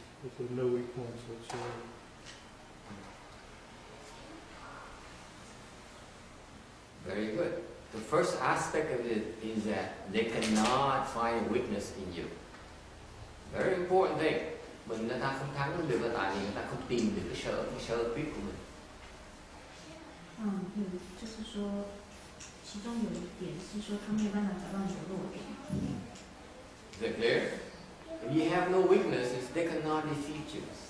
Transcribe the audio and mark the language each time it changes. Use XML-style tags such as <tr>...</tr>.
<en>You have to have no weak points whatsoever. Very good. The first aspect of it is that they cannot find a weakness in you. Very important thing.</en> <vi>But người ta không thắng được là tại vì người ta không tìm được cái sơ quyết của mình.</vi> <zh>就是说，其中有一点是说他没有办法找到你的弱点。</zh> <en>Is that clear? If you have no weaknesses, they cannot defeat you.</en>